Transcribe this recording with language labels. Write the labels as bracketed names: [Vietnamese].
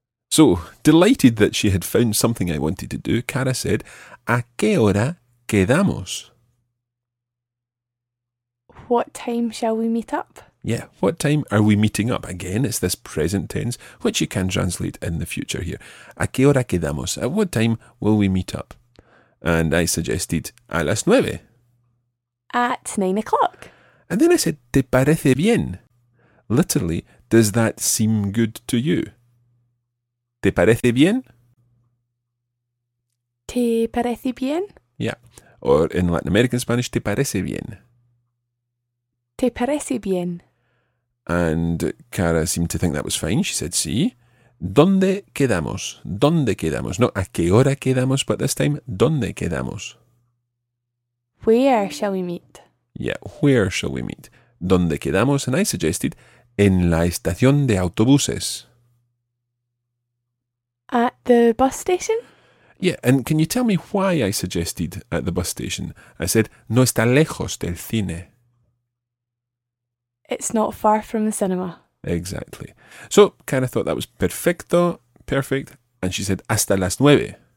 [English] So, delighted that she had found something I wanted to do, Cara said, [Spanish] ¿a qué hora quedamos? [English] What time shall we meet up? Yeah, what time are we meeting up? Again, it's this present tense, which you can translate in the future here. [Spanish] ¿A qué hora quedamos? [English] At what time will we meet up? And I suggested, [Spanish] a las 9. [English] At 9 o'clock. And then I said, [Spanish] ¿te parece bien? [English] Literally, does that seem good to you? [Spanish] ¿Te parece bien? ¿Te parece bien? [English] Yeah. Or in Latin American Spanish, [Spanish] ¿te parece bien? ¿Te parece bien? [English] And Cara seemed to think that was fine. She said, [Spanish] sí. ¿Dónde quedamos? ¿Dónde quedamos? No, ¿a qué hora quedamos? [English] But this time, [Spanish] ¿dónde quedamos? [English] Where shall we meet? Yeah, where shall we meet? [Spanish] ¿Dónde quedamos? [English] And I suggested, [Spanish] en la estación de autobuses. [English] At the bus station? Yeah, and can you tell me why I suggested at the bus station? I said, [Spanish] no está lejos del cine. [English] It's not far from the cinema. Exactly. So, Cara thought that was perfecto, perfect, and she said, [Spanish] hasta las 9.